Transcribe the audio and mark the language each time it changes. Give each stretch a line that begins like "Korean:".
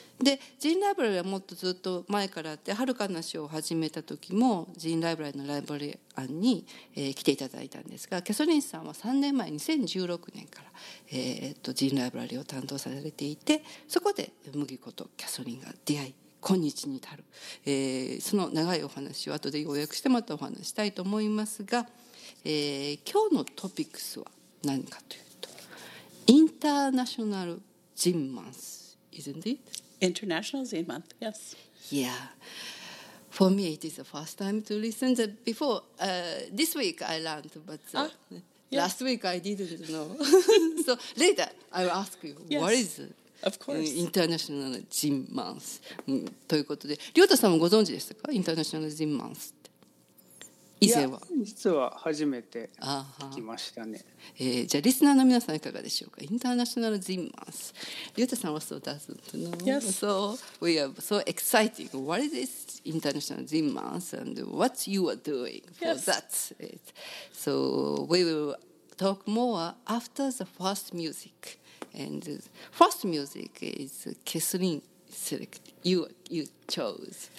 Japanese: でジンライブラリーはもっとずっと前からあって、はるかな詩を始めた時もジンライブラリーのライブラリー案に、来ていただいたんですが、キャソリンさんは3年前2016年から、ジンライブラリーを担当されていて、そこで麦子とキャソリンが出会い今日に至る、その長いお話を後で要約してまたお話したいと思いますが、今日のトピックスは何かというと、インターナショナルジンマンス
English: isn't it International Zine Month, yes. Yeah. For me, it is the first time to listen. To before, this week I learned, but last week I didn't know. So later, I will ask you, what is of course.
Japanese: International Zine Month? ということで、リョータさんもご存知でしたか International Zine Month? 以前は。いや、実は初めて聞きましたね。じゃあリスナーの皆さんいかがでしょうか。インターナショナルジンマンス、リュウタさんはそうだぞと、no?
English: Yes. So we are so exciting. What is this international ジンマンス and what you are doing for that? So we will talk more after the first music. And the first music is Kathleen select. You chose.